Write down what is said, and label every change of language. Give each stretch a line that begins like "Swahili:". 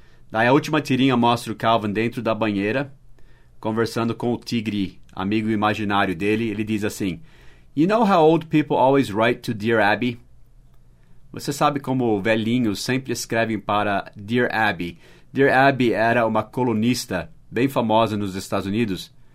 Portuguese: Daí a última tirinha mostra o Calvin dentro da banheira, conversando com o tigre, amigo imaginário dele. Ele diz assim,
English: you know how old people always write to Dear Abby?
Portuguese: Você sabe como velhinhos sempre escrevem para Dear Abby? Dear Abby era uma colunista bem famosa nos Estados Unidos.